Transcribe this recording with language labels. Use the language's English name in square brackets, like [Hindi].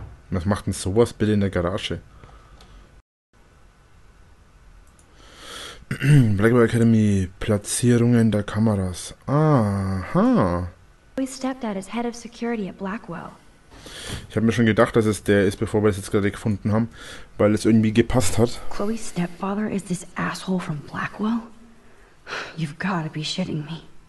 [German] Was macht denn sowas bitte in der Garage? Blackwell Academy, Platzierungen der Kameras. Aha. [English] We stepped out as head of security at Blackwell. [German] Ich habe mir schon gedacht, dass es der ist, bevor wir es jetzt gerade gefunden haben, weil es irgendwie gepasst hat. [English] Chloe's stepfather is this asshole from Blackwell? You've gotta be shitting me.